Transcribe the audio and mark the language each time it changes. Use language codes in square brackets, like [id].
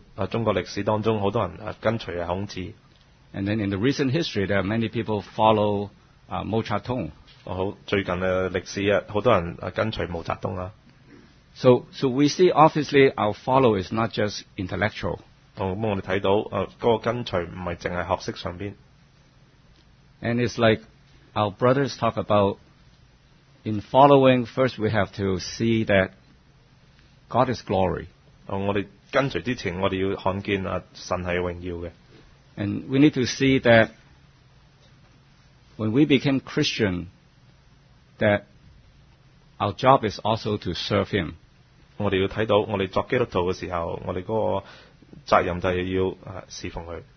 [zh] 中国历史当中很多人跟随孔子。 [en] And then in the recent history, there are many people follow Mao Zedong. [zh] 最近的历史很多人跟随毛泽东。 [en] So we see obviously our follow is not just intellectual. [zh] 我们看到那个跟随不是只是学识上面。 [en] And it's like our brothers talk aboutIn following, first we have to see that God is glory. [zh] 我们跟随之前，我们要看见神是荣耀的。 [en] And we need to see that when we became Christian, that our job is also to serve Him. [zh] 我们要看到我们作基督徒的时候，我们那个责任就是要侍奉祂。